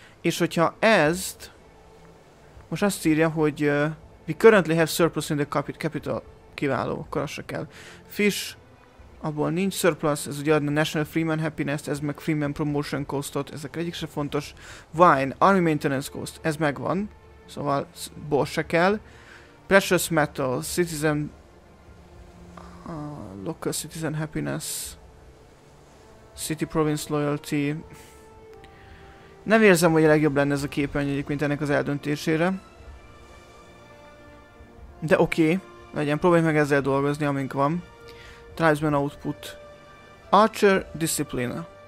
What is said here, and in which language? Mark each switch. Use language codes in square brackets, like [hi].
[hu] És hogyha ezt... Most azt írja, hogy [en] we currently have surplus in the capital. [hu] Kiváló, akkor az se kell. Fish. Abból nincs surplus, ez ugye adna National Freeman Happiness, ez meg Freeman Promotion Costot, ezek egyik se fontos. Wine, Army Maintenance Cost, ez megvan, szóval ból se kell. [en] Precious Metal, Citizen... Local Citizen Happiness... City Province Loyalty... [hu] Nem érzem, hogy a legjobb lenne ez a képernyő egyébként ennek az eldöntésére. De oké, legyen, próbálj meg ezzel dolgozni, amink van. Tribesman Output. [en] Archer Discipline.